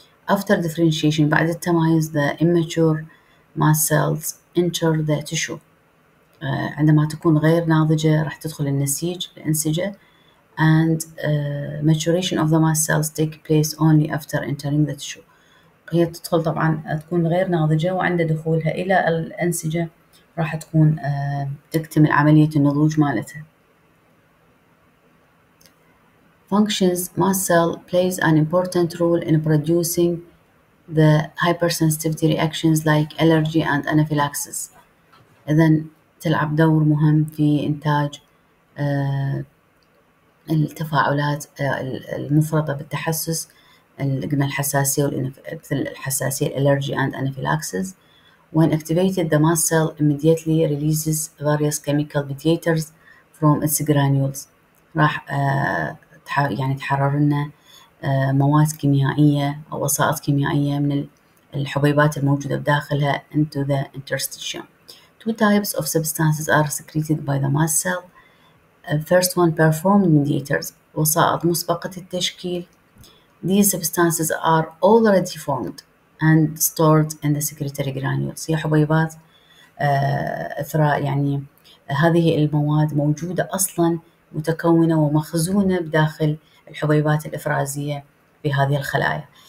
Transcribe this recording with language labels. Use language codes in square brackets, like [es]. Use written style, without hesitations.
[en] After differentiation [ar] بعد التمايز [en] the immature mast cells enter the tissue، [ar] عندما تكون غير ناضجة راح تدخل النسيج الأنسجة. [en] And maturation of the mast cells take place only after entering the tissue، [ar] هي تدخل طبعا تكون غير ناضجة وعند دخولها إلى الأنسجة راح تكون تكتمل عملية النضوج مالتها. [en] Functions: mast cell plays an important role in producing the hypersensitivity reactions like allergy and anaphylaxis. [ar] إذا تلعب دور مهم في إنتاج التفاعلات المفرطة بالتحسس، قلنا الحساسية مثل الحساسية [en] allergy and anaphylaxis. When activated the mast cell immediately releases various chemical mediators from its granules، [ar] راح يعني تحرر لنا مواد كيميائية أو وسائط كيميائية من الحبيبات الموجودة بداخلها [en] into the interstitium. Two types of substances are secreted by the mast cell. First one performed mediators، [ar] وسائط مسبقة التشكيل. [en] These substances are already formed and stored in the secretory granules، [ar] هي حبيبات إثراء يعني هذه المواد موجودة أصلاً متكونة ومخزونة بداخل الحبيبات الإفرازية في هذه الخلايا.